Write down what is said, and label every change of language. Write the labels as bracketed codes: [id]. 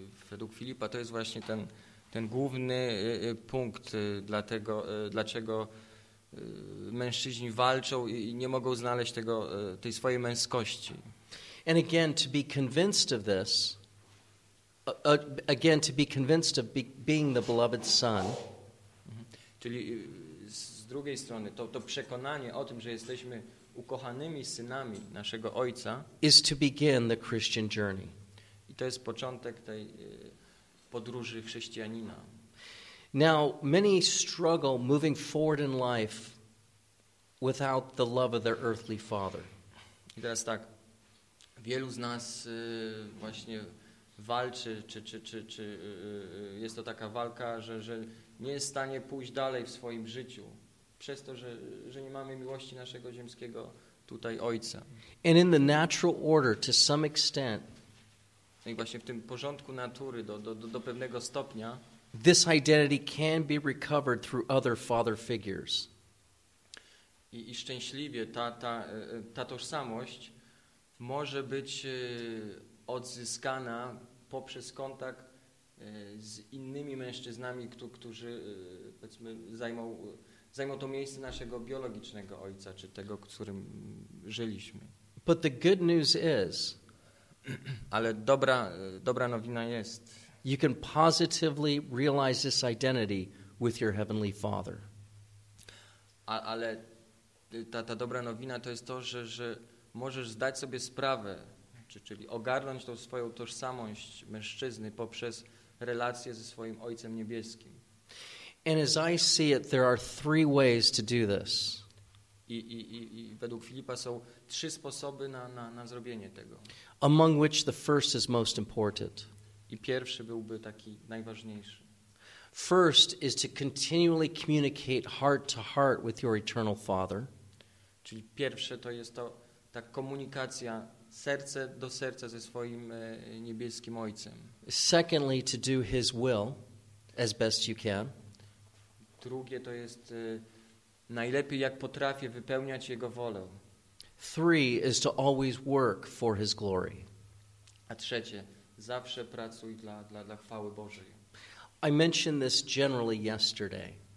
[pl] Według Filipa to jest właśnie ten główny punkt, dlaczego mężczyźni walczą i nie mogą znaleźć tej swojej męskości. [en] And again, to be convinced of this, again, to be convinced of being the beloved son. [pl] Czyli z drugiej strony to przekonanie o tym, że jesteśmy ukochanymi synami naszego ojca, [en] is to begin the Christian journey. [pl] I to jest początek tej podróży chrześcijanina. [en] Now, many struggle moving forward in life without the love of their earthly father. [pl] I teraz tak, wielu z nas właśnie walczy, czy jest to taka walka, że nie jest w stanie pójść dalej w swoim życiu przez to, że nie mamy miłości naszego ziemskiego tutaj ojca. [en] And in the natural order, to some extent, [pl] no i właśnie w tym porządku natury do pewnego stopnia [en] this identity can be recovered through other father figures. [pl] I szczęśliwie ta tożsamość może być odzyskana poprzez kontakt z innymi mężczyznami, którzy powiedzmy zajmą to miejsce naszego biologicznego ojca, czy tego, którym żyliśmy. [en] But the good news is, [pl] ale dobra nowina jest, [en] you can positively realize this identity with your heavenly Father. [pl] Ale ta dobra nowina to jest to, że możesz zdać sobie sprawę, czyli ogarnąć tą swoją tożsamość mężczyzny poprzez relacje ze swoim Ojcem Niebieskim. [en] And as I see it, there are three ways to do this. [pl] I według Filipa są trzy sposoby na zrobienie tego. [en] Among which the first is most important. [pl] I pierwszy byłby taki najważniejszy. [en] First is to continually communicate heart to heart with your eternal Father. [pl] Czyli pierwsze to jest to ta komunikacja serce do serca ze swoim niebieskim Ojcem. [en] Secondly, to do His will as best you can. [pl] Drugie to jest najlepiej jak potrafię wypełniać Jego wolę. [en] Three is to always work for His glory. [pl] A trzecie, zawsze pracuj dla chwały Bożej. [en] I mentioned this generally yesterday.